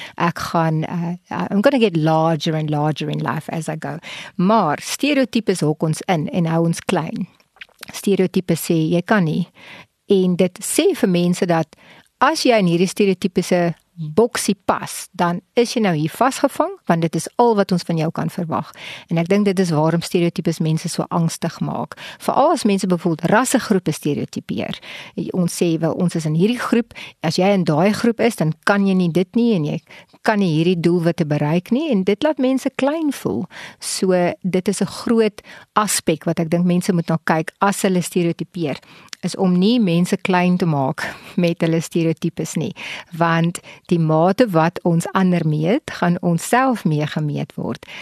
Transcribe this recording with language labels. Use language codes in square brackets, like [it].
[af] Ek gaan, [en] I'm gonna get larger and larger in life as I go. [af] Maar stereotypes hok ons in en hou ons klein. Stereotypes sê, jy kan nie. En dit sê vir mense dat as jy in hierdie stereotypiese boksie pas, dan is jy nou hier vasgevang, want dit is al wat ons van jou kan verwag. En ek dink dit is waarom stereotypes mense so angstig maak. Veral as mense bijvoorbeeld rassegroepe stereotypeer. Ons sê, wel, ons is in hierdie groep, as jy in daai groep is, dan kan jy nie dit nie, en jy kan nie hierdie doelwitte bereik nie, en dit laat mense klein voel. So, dit is 'n groot aspek wat ek dink mense moet nou kyk, as hulle stereotypeer, is om nie mense klein te maak met hulle stereotypes nie, want die mate wat ons ander meet, gaan ons self mee gemeet word.